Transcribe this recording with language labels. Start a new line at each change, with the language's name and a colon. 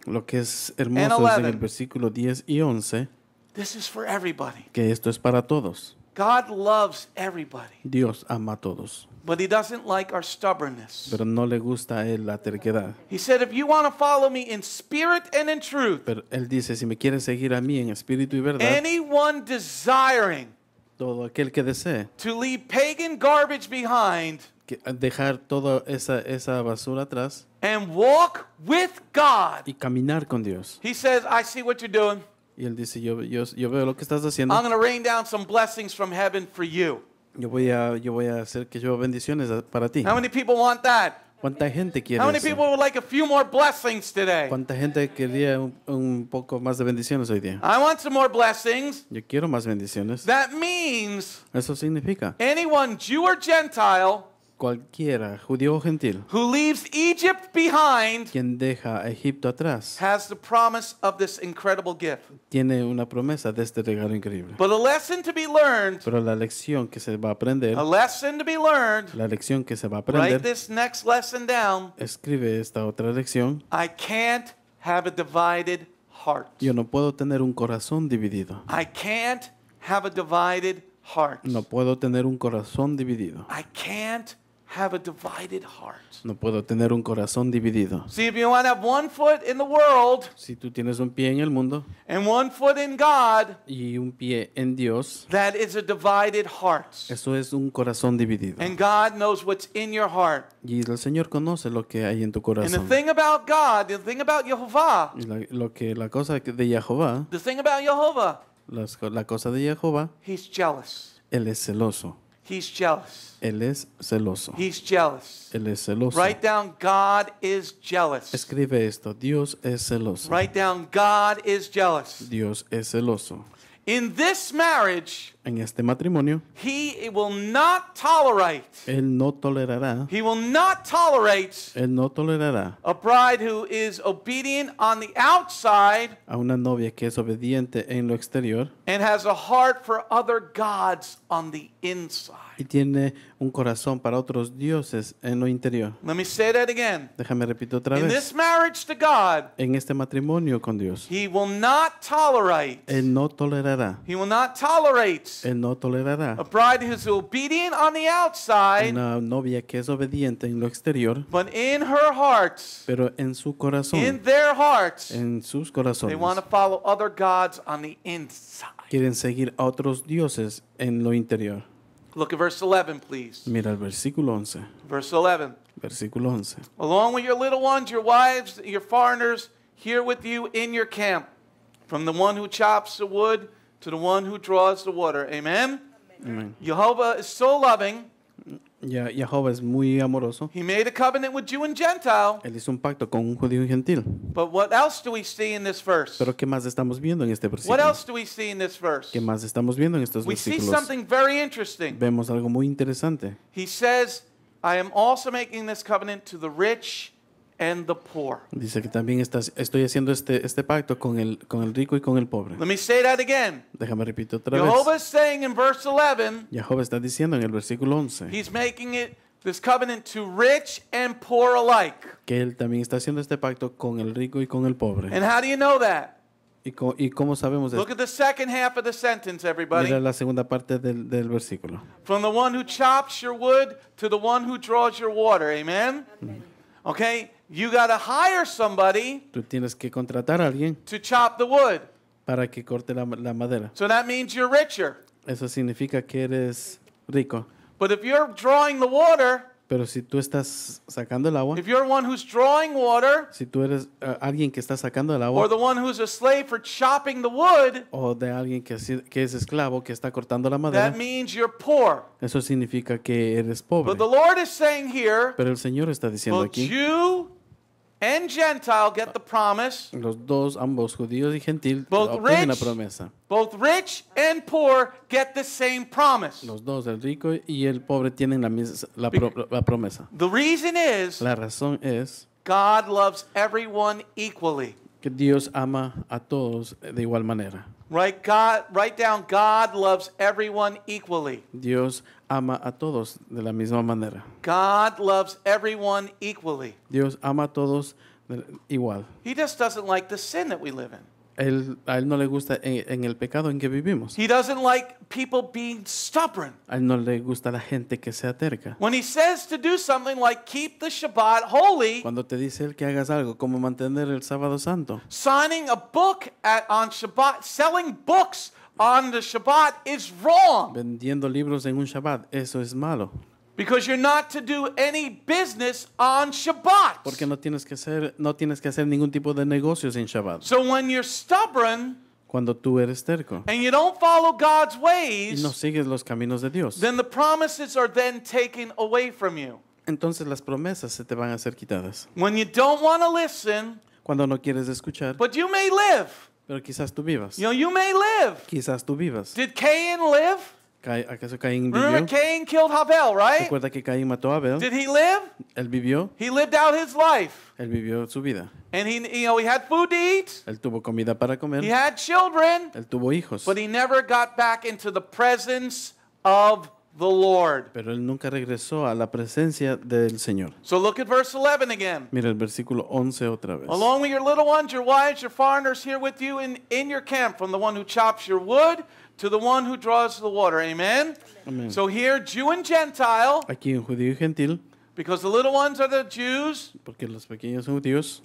Spanish: Lo que es hermoso es en el versículo 10 y 11.
English: This is for everybody.
Spanish: Que esto es para todos.
English: God loves everybody.
Spanish: Dios ama a todos.
English: But he doesn't like our stubbornness.
Spanish: Pero no le gusta a él la terquedad.
English: He said, if you want to follow me in spirit and in truth.
Spanish: Pero él dice, si me quieres seguir a mí en espíritu y verdad.
English: Anyone desiring.
Spanish: Todo aquel que desee.
English: To leave pagan garbage behind.
Spanish: Que dejar toda esa basura atrás.
English: And walk with God.
Spanish: Y caminar con Dios.
English: He says, I see what you're doing.
Spanish: Y él dice, yo veo lo que estás haciendo.
English: I'm going to rain down some blessings from heaven for you.
Spanish: Yo voy a hacer que yo bendiciones para ti.
English: How many people want that?
Spanish: ¿Cuánta gente quiere eso?
English: How many people would like a few more blessings today?
Spanish: ¿Cuánta gente quería un poco más de bendiciones hoy día?
English: I want some more blessings.
Spanish: Yo quiero más bendiciones.
English: That means.
Spanish: Eso significa.
English: Anyone, Jew or Gentile.
Spanish: Cualquiera, judío o gentil,
English: who leaves Egypt behind,
Spanish: quien deja Egipto atrás,
English: has the promise of this incredible gift.
Spanish: Tiene una promesa de este regalo increíble.
English: But a lesson to be learned.
Spanish: Pero la lección que se va a aprender.
English: A lesson to be learned.
Spanish: La lección que se va a aprender.
English: Write this next lesson down.
Spanish: Escribe esta otra lección.
English: I can't have a divided heart.
Spanish: Yo no puedo tener un corazón dividido.
English: I can't have a divided heart.
Spanish: No puedo tener un corazón dividido.
English: I can't have a divided heart.
Spanish: No puedo tener un corazón dividido.
English: See, if you want to have one foot in the world,
Spanish: si tú tienes un pie en el mundo,
English: and one foot in God,
Spanish: y un pie en Dios,
English: that is a divided heart.
Spanish: Eso es un corazón dividido.
English: And God knows what's in your heart.
Spanish: Y el Señor conoce lo que hay en tu corazón.
English: And the thing about God, the thing about Jehovah,
Spanish: la cosa de Jehová,
English: the thing about Jehovah,
Spanish: la cosa de Jehová,
English: he's jealous.
Spanish: Él es celoso.
English: He's jealous.
Spanish: Él es celoso.
English: He's jealous.
Spanish: Él es celoso.
English: Write down, God is jealous.
Spanish: Escribe esto. Dios es celoso.
English: Write down, God is jealous.
Spanish: Dios es celoso.
English: In this marriage,
Spanish: en este matrimonio,
English: he will not tolerate.
Spanish: Él no tolerará.
English: He will not tolerate.
Spanish: Él no tolerará.
English: A bride who is obedient on the outside,
Spanish: a una novia que es obediente en lo exterior,
English: and has a heart for other gods on the inside.
Spanish: Y tiene un corazón para otros dioses en lo interior.
English: Let me say that again.
Spanish: Déjame repito otra
English: in
Spanish: vez.
English: In this marriage to God,
Spanish: en este matrimonio con Dios,
English: he will not tolerate.
Spanish: Él no tolerará.
English: He will not tolerate.
Spanish: Él no tolerará.
English: A bride who's obedient on the outside,
Spanish: una novia que es obediente en lo exterior,
English: but in her heart,
Spanish: pero en su corazón,
English: in their hearts,
Spanish: en sus corazones,
English: they want to follow other gods on the inside.
Spanish: Quieren seguir a otros dioses en lo interior.
English: Look at verse 11, please.
Spanish: Mira el versículo 11.
English: Verse 11.
Spanish: Versículo 11.
English: Along with your little ones, your wives, your foreigners, here with you in your camp, from the one who chops the wood to the one who draws the water. Amen? Amen. Jehovah is so loving.
Spanish: Yeah, Jehovah es muy amoroso.
English: He made a covenant with Jew and Gentile.
Spanish: Él hizo un pacto con un judío y gentil.
English: But what else do we see in this verse?
Spanish: ¿Pero qué más estamos viendo en este versículo?
English: What else do we see in this verse?
Spanish: ¿Qué más estamos viendo en estos
English: we
Spanish: versículos?
English: See something very interesting.
Spanish: Vemos algo muy interesante.
English: He says, I am also making this covenant to the rich and the poor.
Spanish: Dice que también estoy haciendo este pacto con el rico y con el pobre.
English: Let me say that again.
Spanish: Déjame repito otra vez.
English: Jehovah is saying in verse 11.
Spanish: Jehovah está diciendo en el versículo 11.
English: He's making it this covenant to rich and poor alike.
Spanish: Que él también está haciendo este pacto con el rico y con el pobre.
English: And how do you know that?
Spanish: ¿Y cómo sabemos esto?
English: Look at the second half of the sentence, everybody.
Spanish: Mira la segunda parte del versículo.
English: From the one who chops your wood to the one who draws your water. Amen. Okay. You got to hire somebody.
Spanish: Tú tienes que contratar a alguien.
English: To chop the wood.
Spanish: Para que corte la madera.
English: So that means you're richer.
Spanish: Eso significa que eres rico.
English: But if you're drawing the water.
Spanish: Pero si tú estás sacando el agua,
English: if you're one who's drawing water,
Spanish: si tú eres alguien que está sacando el agua,
English: or the one who's a slave for chopping the wood,
Spanish: o de alguien que es esclavo que está cortando la madera,
English: that means you're poor.
Spanish: Eso significa que eres pobre.
English: But the Lord is saying here,
Spanish: pero el Señor está diciendo aquí,
English: both Jew and Gentile get the promise.
Spanish: Los dos, ambos judíos y gentil,
English: both
Spanish: obtienen la promesa.
English: Both rich and poor get the same promise.
Spanish: Los dos, el rico y el pobre, tienen la promesa.
English: The reason is,
Spanish: la razón es,
English: God loves everyone equally.
Spanish: Que Dios ama a todos de igual manera.
English: Write God, write down, God loves everyone equally.
Spanish: Dios ama a todos de la misma manera.
English: God loves everyone equally.
Spanish: Dios ama a todos igual.
English: He just doesn't like the sin that we live in.
Spanish: A él no le gusta en el pecado en que vivimos.
English: He doesn't like people being stubborn.
Spanish: A él no le gusta la gente que sea terca.
English: When he says to do something like keep the Shabbat holy,
Spanish: cuando te dice él que hagas algo como mantener el sábado santo,
English: signing a book on Shabbat, selling books on the Shabbat is wrong.
Spanish: Vendiendo libros en un Shabbat, eso es malo.
English: Because you're not to do any business on Shabbat.
Spanish: Porque no tienes que hacer ningún tipo de negocios en Shabbat.
English: So when you're stubborn,
Spanish: cuando tú eres terco,
English: and you don't follow God's ways,
Spanish: y no sigues los caminos de Dios,
English: then the promises are then taken away from you.
Spanish: Entonces las promesas se te van a ser quitadas.
English: When you don't want to listen,
Spanish: cuando no quieres escuchar,
English: but you may live.
Spanish: Pero quizás tú vivas.
English: You know, you may live.
Spanish: Quizás tú vivas.
English: Did Cain live?
Spanish: ¿Acaso Caín vivió?
English: Remember, Cain killed Abel, right?
Spanish: ¿Recuerda que Caín mató a Abel?
English: Did he live?
Spanish: ¿Él vivió?
English: He lived out his life.
Spanish: ¿Él vivió su vida?
English: And he, you know, he had food to eat.
Spanish: ¿Él tuvo comida para comer?
English: He had children.
Spanish: ¿Él tuvo hijos?
English: But he never got back into the presence of the Lord.
Spanish: Pero él nunca regresó a la presencia del Señor.
English: So look at verse 11 again.
Spanish: Mira el versículo 11 otra vez.
English: Along with your little ones, your wives, your foreigners here with you in your camp, from the one who chops your wood to the one who draws the water. Amen? Amen. So here, Jew and Gentile.
Spanish: Aquí un judío y gentil.
English: Because the little ones are the Jews.
Spanish: Porque los pequeños son judíos.